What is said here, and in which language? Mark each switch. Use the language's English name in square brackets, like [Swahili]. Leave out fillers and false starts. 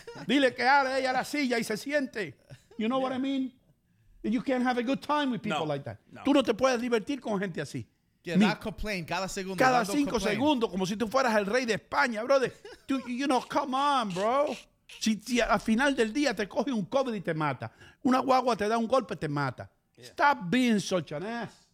[Spanish] Dile que ale ella la silla y se siente. [English] You know what I mean? You can't have a good time with people like that. No. [Spanish] Tú no te puedes divertir con gente así. [English] Yeah, not complain. [Spanish] Cada segundo. Cada cinco segundos, como si tú fueras el rey de España, brother. [English] You know, come on, bro. [Spanish] Si al final del día te coge un COVID y te mata. Una guagua te da un golpe y te mata. [English] Yeah. Stop being such an ass.